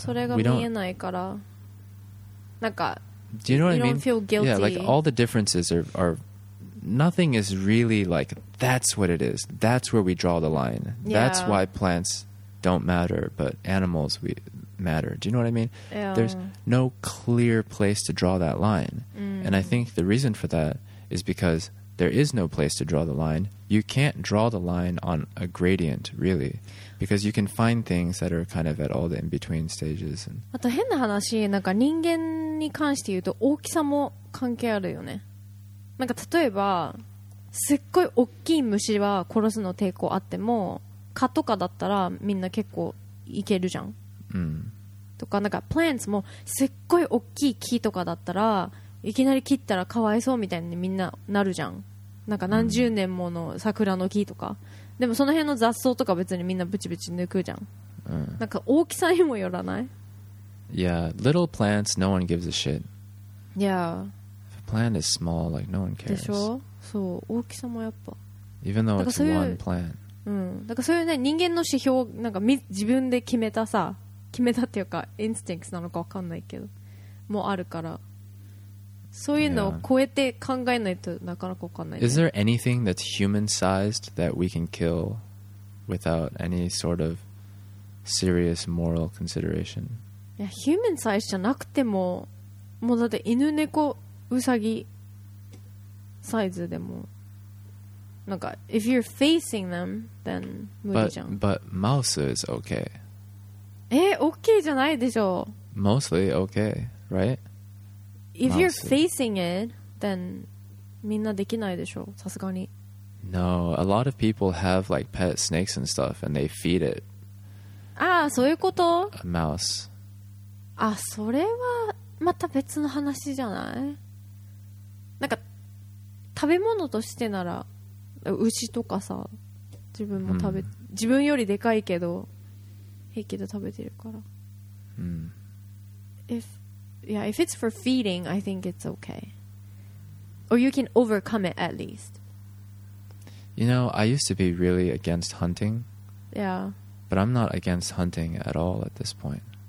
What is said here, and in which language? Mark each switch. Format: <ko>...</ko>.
<ja>それが見えないから、なんか。</ja> <en>Do you know what you I mean? Don't feel guilty. Yeah, like all the differences are nothing is really like that's what it is. That's where we draw the line. Yeah. That's why plants don't matter, but animals we matter. Do you know what I mean? Yeah. There's no clear place to draw that line. Mm. And I think the reason for that is because there is no place to draw the line. You can't draw the line on a gradient, really. Because you can find things that are kind of at all the in-between stages.</en> <ja>あと変な話、なんか人間に関して言うと大きさも関係あるよね。なんか例えば、すっごい大きい虫は殺すの抵抗あっても、蚊とかだったらみんな結構いけるじゃん。うん。とか、なんか plants もすっごい大きい木とかだったら、いきなり切ったらかわいそうみたいにみんななるじゃん。なんか何十年もの桜の木とか、でもその辺の雑草とか別にみんなブチブチ抜くじゃん。なんか大きさにもよらない。</ja> <en>Yeah, little plants, no one gives a shit. Yeah. If a plant is small, like no one cares.</en> <ja>でしょ？そう、大きさもやっぱ。</ja> <en>Even though it's one plant.</en> <ja>だからそういうね、人間の指標、なんか自分で決めたさ、決めたっていうか、instincts なのかわかんないけど、もあるから。そういうのを超えて考えないとなかなかわかんない、ね。</ja> <en>Is there anything that's human-sized that we can kill without any sort of serious moral consideration?</en> <ja>いや、human-sized じゃなくても、もうだって犬猫ウサギサイズでも、なんか</ja> <en>if you're facing them, then</en> <ja>無理じゃん。</ja> <en>But mouse is okay.</en> <ja>OK じゃないでしょ。</ja> <en>Mostly okay, right? If you're facing it, then</en> <ja>みんなできないでしょ、さすがに。</ja> <en>No, a lot of people have like pet snakes and stuff and they feed it.</en> <ja>ああ、そういうこと？</ja> <en>A mouse.</en> <ja>あ、それはまた別の話じゃない？なんか食べ物としてなら牛とかさ、自分も食べ、自分よりでかいけど平気で食べてるから。</ja> <en>Yeah, if it's for feeding, I think it's okay. Or you can overcome it at least. You know, I used to be really against hunting. Yeah. But I'm not against hunting at all at this point.</en>